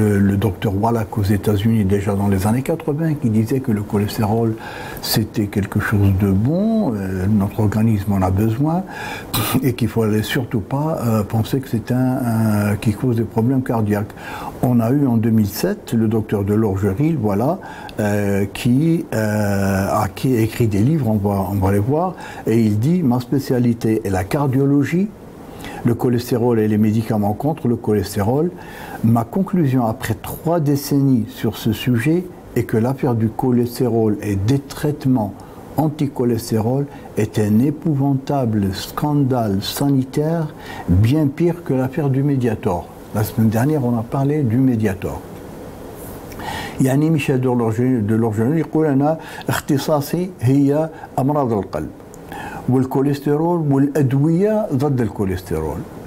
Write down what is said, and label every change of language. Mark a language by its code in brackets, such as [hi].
[fr] le docteur Wallach aux États-Unis déjà dans les années 80 qui disait que le cholestérol c'était quelque chose de bon, notre organisme en a besoin et qu'il fallait surtout pas penser que c'est un qui cause des problèmes cardiaques. On a eu en 2007 le docteur Delorgeril, voilà, qui a écrit des livres, on va les voir, et il dit ma spécialité est la cardiologie. Le cholestérol et les médicaments contre le cholestérol. Ma conclusion après trois décennies sur ce sujet est que l'affaire du cholestérol et des traitements anti-cholestérol est un épouvantable scandale sanitaire, bien pire que l'affaire du Mediator. La semaine dernière, on a parlé du Mediator. [ar] يعني ميشيل دورلوجين يقول أنا اختصاصي هي أمراض القلب. والكوليسترول والأدوية ضد الكوليسترول.